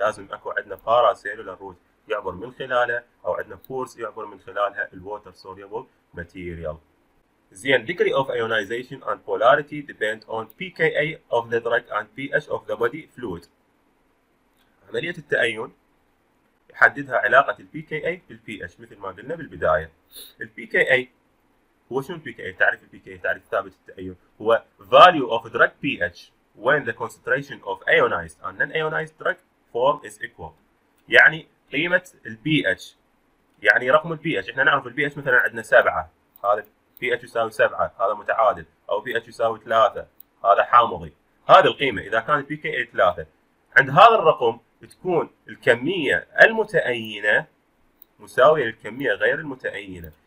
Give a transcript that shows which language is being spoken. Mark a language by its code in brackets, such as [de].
[ar] لازم اكو عندنا بارا سيلولار روت يعبر من خلاله، او عندنا فورس يعبر من خلالها الووتر سوليبل ماتيريال. [en] زين، degree of ionization and polarity depend on pKa of the drug and pH of the body fluid. [ar] عملية التأين حددها علاقة الـ pKa بالـ pH مثل ما قلنا بالبداية. الـ pKa هو شنو الـ pKa؟ تعرف الـ pKa، تعرف ثابت التأيون، هو [en] value of drug pH when the concentration of ionized and non-ionized drug form is equal. [ar] يعني قيمة الـ pH، يعني رقم الـ pH، احنا نعرف الـ pH مثلا عندنا 7، هذا pH يساوي 7، هذا متعادل، أو pH يساوي 3، هذا حامضي. هذه القيمة إذا كان الـ pKa 3، عند هذا الرقم تكون الكمية المتأينة مساوية للكمية غير المتأينة.